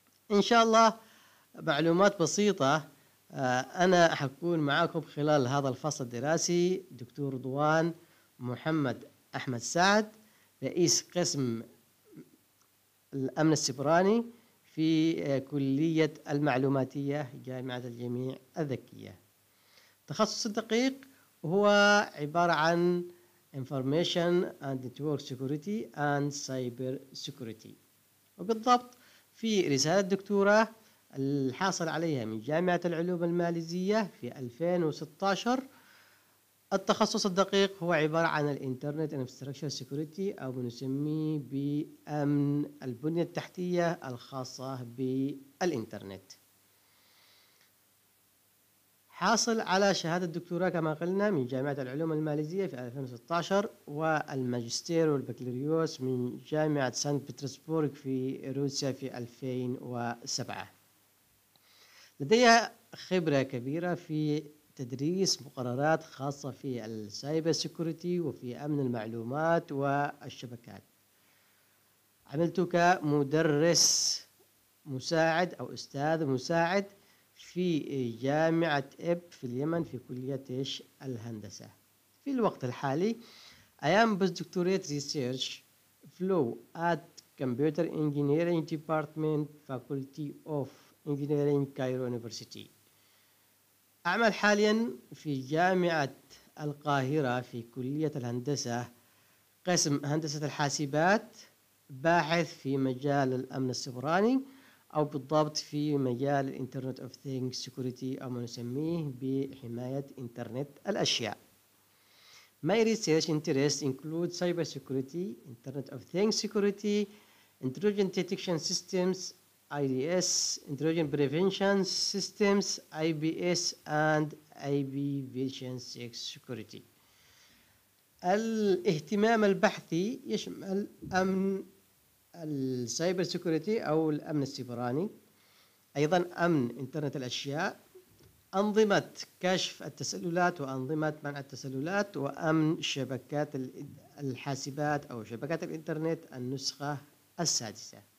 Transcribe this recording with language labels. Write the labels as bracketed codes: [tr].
[ar] إن شاء الله معلومات بسيطة، أنا حكون معكم خلال هذا الفصل الدراسي دكتور رضوان محمد أحمد سعد، رئيس قسم الأمن السبراني في كلية المعلوماتية جامعة الجميع الذكية. تخصص الدقيق هو عبارة عن [en] Information and Network Security and Cyber Security. [ar] وبالضبط في رسالة الدكتوراه الحاصل عليها من جامعة العلوم الماليزية في 2016، التخصص الدقيق هو عبارة عن الإنترنت Infrastructure Security، أو ما نسميه بأمن البنية التحتية الخاصة بالإنترنت. حاصل على شهادة الدكتوراه كما قلنا من جامعة العلوم الماليزية في 2016، والماجستير والبكالوريوس من جامعة سانت بطرسبورغ في روسيا في 2007. لدي خبرة كبيرة في تدريس مقررات خاصة في السايبر سيكوريتي وفي أمن المعلومات والشبكات. عملت كمدرس مساعد أو أستاذ مساعد في جامعة إب في اليمن في كلية الهندسة. في الوقت الحالي [en] I am postdoctoral research fellow at Computer Engineering Department Faculty of Engineering Cairo University. [ar] أعمل حاليا في جامعة القاهرة في كلية الهندسة قسم هندسة الحاسبات، باحث في مجال الأمن السبراني، أو بالضبط في مجال Internet of Things Security، أو ما نسميه بحماية إنترنت الأشياء. [en] My research interests include cyber security, Internet of Things security, intrusion detection systems (IDS), intrusion prevention systems (IBS) and IP version 6 security. [ar] الاهتمام البحثي يشمل أمن السايبر سيكوريتي أو الأمن السبراني، أيضا أمن إنترنت الأشياء، أنظمة كشف التسللات وأنظمة منع التسللات، وأمن شبكات الحاسبات أو شبكات الإنترنت النسخة السادسة.